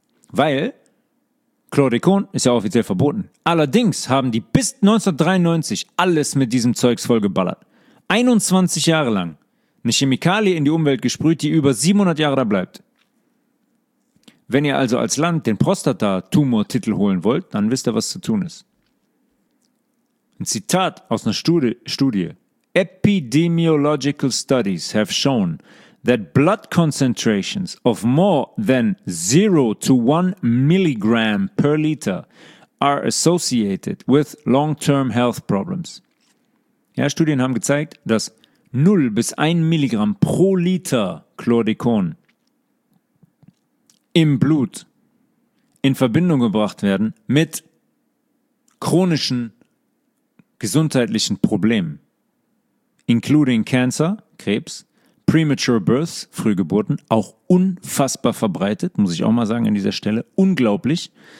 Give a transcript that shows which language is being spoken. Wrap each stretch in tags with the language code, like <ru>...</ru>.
<de>Weil Chlordecon ist ja offiziell verboten. Allerdings haben die bis 1993 alles mit diesem Zeugs vollgeballert. 21 Jahre lang eine Chemikalie in die Umwelt gesprüht, die über 700 Jahre da bleibt. Wenn ihr also als Land den Prostata-Tumor-Titel holen wollt, dann wisst ihr, was zu tun ist. Ein Zitat aus einer Studie.</de> <en>Epidemiological studies have shown that blood concentrations of more than 0 to 1 milligram per liter are associated with long-term health problems.</en> <de>Ja, Studien haben gezeigt, dass 0 bis 1 Milligramm pro Liter Chlordekon im Blut in Verbindung gebracht werden mit chronischen gesundheitlichen Problemen, including Cancer, Krebs, premature births, Frühgeburten, auch unfassbar verbreitet, muss ich auch mal sagen an dieser Stelle, unglaublich.</de>